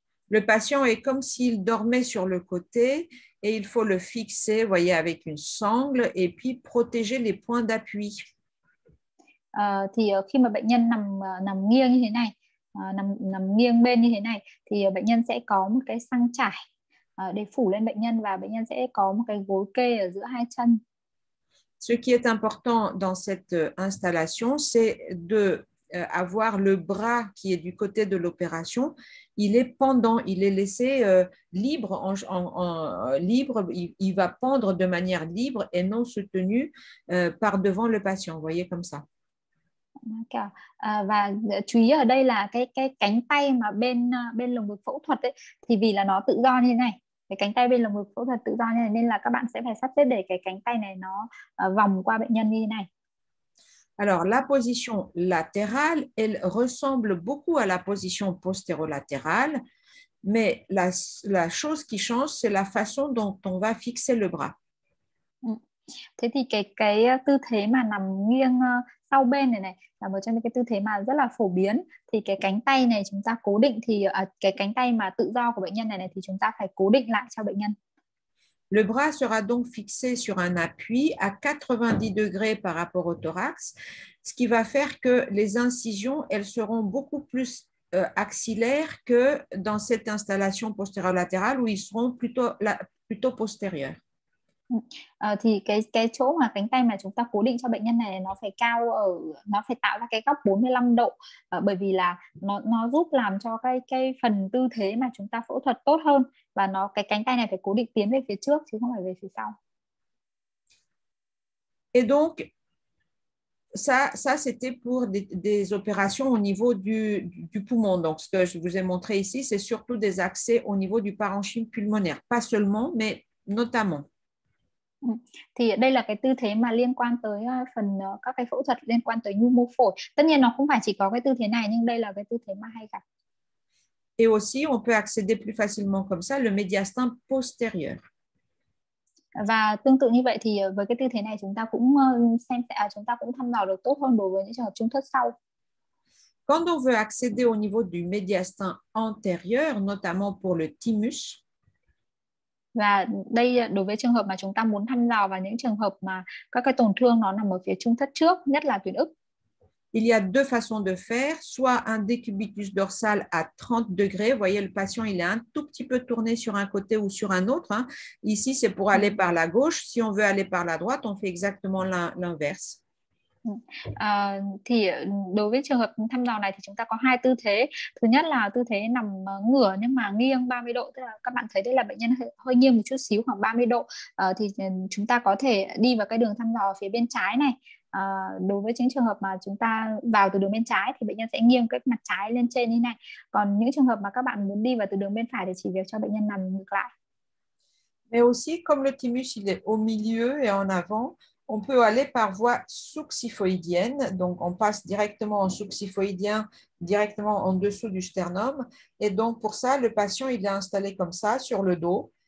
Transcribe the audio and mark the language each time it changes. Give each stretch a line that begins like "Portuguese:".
French: Le patient est comme s'il dormait sur le côté et il faut le fixer, voyez, avec une sangle et puis protéger les points d'appui.
Vietnamese: Thì khi mà bệnh nhân nằm nằm nghiêng như thế này, nằm nằm nghiêng bên như thế này thì bệnh nhân sẽ có một cái sang chải để phủ lên bệnh nhân và bệnh nhân sẽ có một cái gối kê ở giữa hai chân.
French: Ce qui est important dans cette installation, c'est de avoir le bras qui est du côté de l'opération, il est pendant, il est laissé libre, libre, il va pendre de manière libre et non soutenu par devant le patient, vous voyez comme ça.
Vietnamese: Và chú ý ở đây là cái cánh tay mà bên bên lồng ngực phẫu thuật ấy, thì vì là nó tự do như thế này, cái cánh tay bên lồng ngực phẫu thuật tự do như thế này nên là các bạn sẽ phải sắp xếp để cái cánh tay này nó vòng qua bệnh nhân như thế này.
French: Alors, la position latérale, elle ressemble beaucoup à la position postérolatérale, mais la chose qui change, c'est la façon dont on va fixer le bras.
Vietnamese: Thế thì cái tư thế mà nằm nghiêng sau bên này này là một trong những cái tư thế mà rất là phổ biến, thì cái cánh tay này chúng ta cố định thì cái cánh tay mà tự do của bệnh nhân này này thì chúng ta phải cố định lại cho bệnh nhân.
French: Le bras sera donc fixé sur un appui à 90 degrés par rapport au thorax, ce qui va faire que les incisions, elles seront beaucoup plus axillaires que dans cette installation postérolatérale où ils seront plutôt postérieurs.
Vietnamese: Thì cái chỗ mà cánh tay mà chúng ta cố định cho bệnh nhân này nó phải cao ở, nó phải tạo ra cái góc 45 độ, bởi vì là nó giúp làm cho cái phần tư thế mà chúng ta phẫu thuật tốt hơn, và nó cái cánh tay này phải cố định tiến về phía trước chứ không phải về phía sau.
French: Et donc, ça c'était pour des opérations au niveau du poumon. Donc, ce que je vous ai montré ici, c'est surtout des accès au niveau du parenchyme pulmonaire. Pas seulement, mais notamment.
Vietnamese: Thì đây là cái tư thế mà liên quan tới phần các cái phẫu thuật liên quan tới nhu mô phổi. Tất nhiên nó không phải chỉ có cái tư thế này, nhưng đây là cái tư thế mà hay gặp.
French: Et aussi, on peut accéder plus facilement comme ça le médiastin postérieur.
Vietnamese: Và tương tự như vậy thì với cái tư thế này chúng ta cũng xem à, chúng ta cũng thăm dò được tốt hơn đối với những trường hợp trung thất sau.
French: Quand on veut accéder au niveau du médiastin antérieur, notamment pour le thymus.
Vietnamese: Và đây đối với trường hợp mà chúng ta muốn thăm dò và những trường hợp mà các cái tổn thương nó nằm ở phía trung thất trước, nhất là tuyến ức.
French: Il y a deux façons de faire, soit un décubitus dorsal à 30 degrés. Voyez, le patient, il est un tout petit peu tourné sur un côté ou sur un autre. Hein. Ici, c'est pour aller par la gauche. Si on veut aller par la droite, on fait exactement l'inverse.
Vietnamese: Thì đối với trường hợp thăm dò này thì chúng ta có hai tư thế. Thứ nhất là tư thế nằm ngửa nhưng mà nghiêng 30 độ. Tức là các bạn thấy đây là bệnh nhân hơi nghiêng một chút xíu khoảng 30 độ. Thì chúng ta có thể đi vào cái đường thăm dò phía bên trái này. Đối với những trường hợp mà chúng ta vào từ đường bên trái thì bệnh nhân sẽ nghiêng cái mặt trái lên trên như này. Còn những trường hợp mà các bạn muốn đi vào từ đường bên phải thì chỉ việc cho bệnh nhân nằm ngược lại.
French: Mais aussi comme le thymus il est au milieu et en avant, on peut aller par voie succifoïdienne, donc on passe directement en succifoïdien, directement en dessous du sternum. Et donc pour ça, le patient il est installé comme ça sur le dos.